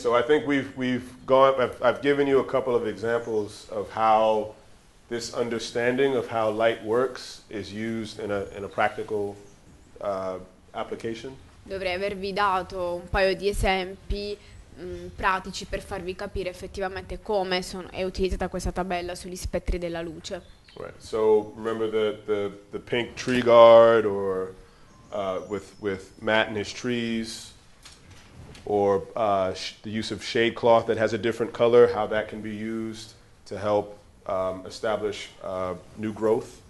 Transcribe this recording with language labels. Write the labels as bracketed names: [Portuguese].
[English] So I think I've given you a couple of examples of how this understanding of how light works is used in a practical application. [Italian] Dovrei avervi dato un paio di esempi pratici per farvi capire effettivamente come è utilizzata questa tabella sugli spettri della luce. [English] Right. So remember the pink tree guard or with Matt and his trees or the use of shade cloth that has a different color, how that can be used to help establish new growth.